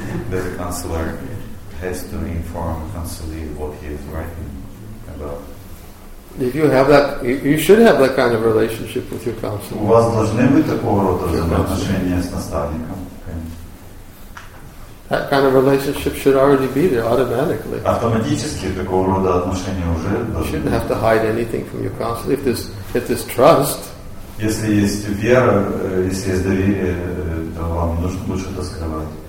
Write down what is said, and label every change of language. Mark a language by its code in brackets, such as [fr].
[en] That the counselor has to inform counselee what he is writing about. If you have that, you should have that kind of relationship with your counselor. [ru] У вас должны быть такого рода взаимоотношения с наставником. [en] That kind of relationship should already be there automatically. [ru] Автоматически такого рода отношения уже должны. [en] You shouldn't have to hide anything from your counselor if there's trust. [ru] Если есть вера, если есть доверие, то вам нужно лучше это скрывать.